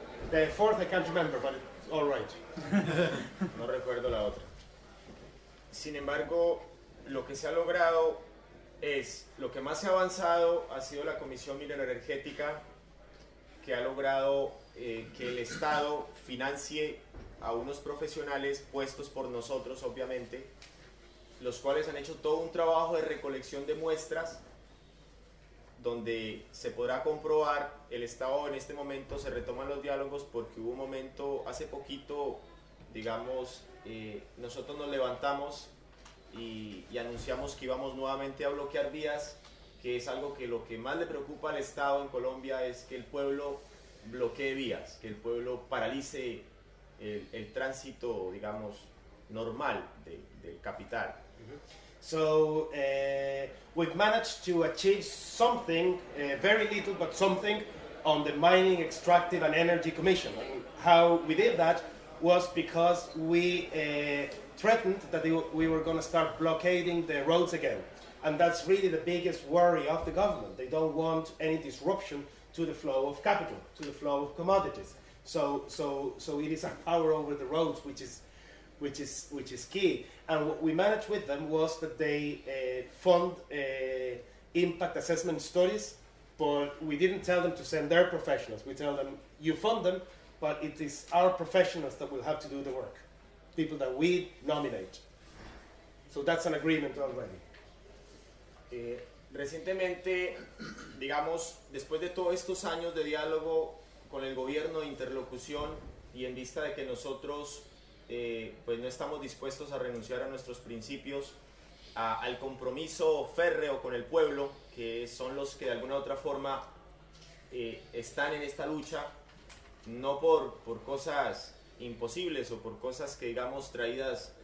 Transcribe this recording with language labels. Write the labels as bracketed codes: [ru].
[en] The fourth, I can't remember, but it's all right. [es] No recuerdo la otra. Sin embargo, lo que se ha logrado es, lo que más se ha avanzado ha sido la Comisión Mineroenergética, que ha logrado que el Estado financie a unos profesionales puestos por nosotros, obviamente, los cuales han hecho todo un trabajo de recolección de muestras, donde se podrá comprobar el estado. En este momento se retoman los diálogos porque hubo un momento hace poquito, digamos, nosotros nos levantamos y anunciamos que íbamos nuevamente a bloquear vías, que es algo que lo que más le preocupa al Estado en Colombia es que el pueblo bloquee vías, que el pueblo paralice el tránsito, digamos, normal del capital. [en] So, we've managed to achieve something, very little, but something, on the Mining, Extractive and Energy Commission. And how we did that was because we threatened that we were going to start blockading the roads again. And that's really the biggest worry of the government. They don't want any disruption to the flow of capital, to the flow of commodities. So it is our power over the roads which is key. And what we managed with them was that they fund impact assessment studies, but we didn't tell them to send their professionals. We tell them, you fund them, but it is our professionals that will have to do the work, people that we nominate. So that's an agreement already. [es] Recientemente, digamos, después de todos estos años de diálogo con el gobierno de interlocución, y en vista de que nosotros pues no estamos dispuestos a renunciar a nuestros principios, al compromiso férreo con el pueblo, que son los que de alguna u otra forma están en esta lucha, no por cosas imposibles o por cosas que digamos traídas